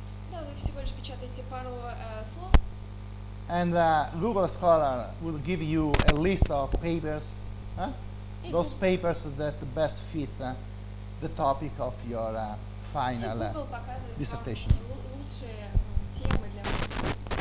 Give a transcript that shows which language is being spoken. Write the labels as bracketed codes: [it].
[ru] Да, вы всего лишь печатаете пару слов. [en] And Google Scholar will give you a list of papers. Those papers that best fit the topic of your final dissertation. [ru] Google показывает вам лучшие темы для вашей